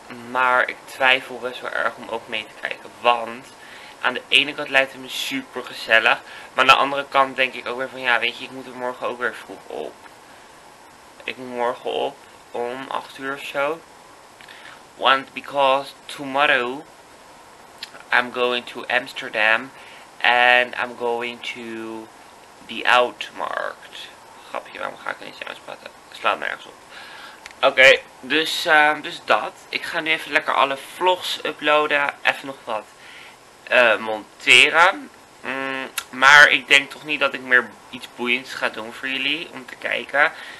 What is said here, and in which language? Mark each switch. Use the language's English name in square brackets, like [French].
[Dutch] Maar ik twijfel best wel erg om ook mee te kijken, want aan de ene kant lijkt het me super gezellig, maar aan de andere kant denk ik ook weer van ja, weet je, ik moet er morgen ook weer vroeg op. Ik moet morgen op om 8:00 of zo. [English] Want because tomorrow I'm going to Amsterdam and I'm going to the Outmarkt. [Dutch] Grapje, waarom ga ik niet eens uitspatten? Slaat nergens op. Oké, dus dat. Ik ga nu even lekker alle vlogs uploaden. Even nog wat monteren. Maar ik denk toch niet dat ik meer iets boeiends ga doen voor jullie om te kijken.